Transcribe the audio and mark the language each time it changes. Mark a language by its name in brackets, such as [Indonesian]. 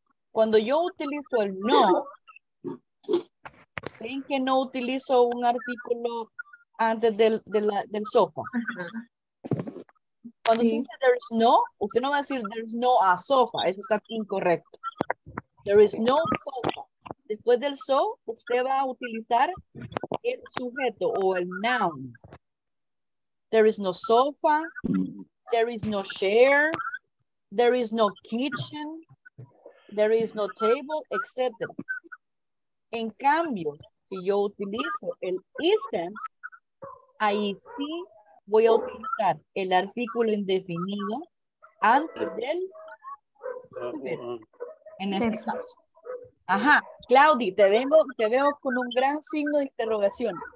[Spanish] Cuando yo utilizo el no, ¿ven que no utilizo un artículo antes del sofá? Cuando sí. Dice [English] there is no, [Spanish] usted no va a decir [English] there is no a sofa, [Spanish] eso está incorrecto. [English] There is no sofa. [Spanish] Después del so, usted va a utilizar el sujeto o el noun. [English] There is no sofa, there is no chair, there is no kitchen, there is no table, etc. [Spanish] En cambio, si yo utilizo el isn't, ahí sí voy a utilizar el artículo indefinido antes del sujeto, en este caso. Ajá, Claudi, te veo con un gran signo de interrogación.